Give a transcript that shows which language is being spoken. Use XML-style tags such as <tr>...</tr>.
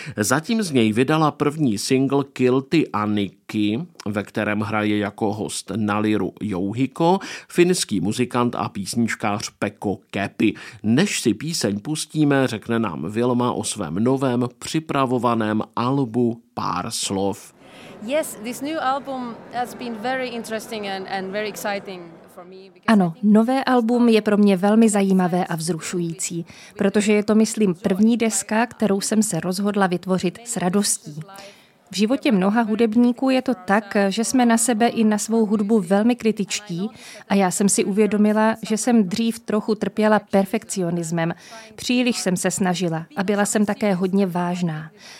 <cs>Zatím z něj vydala první singl Kilty Aniky, ve kterém hraje jako host na liru Jouhiko, finský muzikant a písničkář Pekko Käppi. Než si píseň pustíme, řekne nám Vilma o svém novém připravovaném albu pár slov.</cs> <en>Yes, this new album has been very interesting and very exciting.</en> <cs>Ano, nové album je pro mě velmi zajímavé a vzrušující, protože je to, myslím, první deska, kterou jsem se rozhodla vytvořit s radostí. V životě mnoha hudebníků je to tak, že jsme na sebe i na svou hudbu velmi kritičtí a já jsem si uvědomila, že jsem dřív trochu trpěla perfekcionismem. Příliš jsem se snažila a byla jsem také hodně vážná.</cs>